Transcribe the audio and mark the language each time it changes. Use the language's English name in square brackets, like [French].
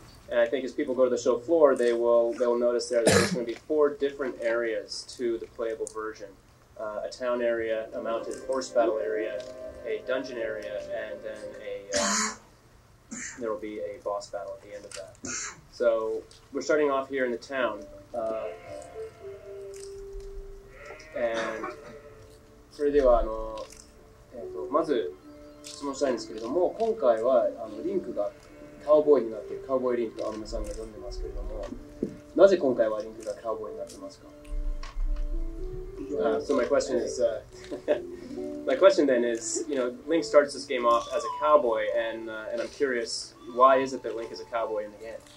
[English] And I think as people go to the show floor, they will notice there that there's going to be four different areas to the playable version. A town area, a mounted horse battle area, a dungeon area, and then there will be a boss battle at the end of that. So we're starting off here in the town. [Japanese] And それではまず質問したいんですけれども、今回はリンクがカウボーイになって、カウボーイリンクとアヌメさんが呼んでますけれども、なぜ今回はリンクがカウボーイになってますか? [English] So my question then is, you know, Link starts this game off as a cowboy, and I'm curious, why is it that Link is a cowboy in the game?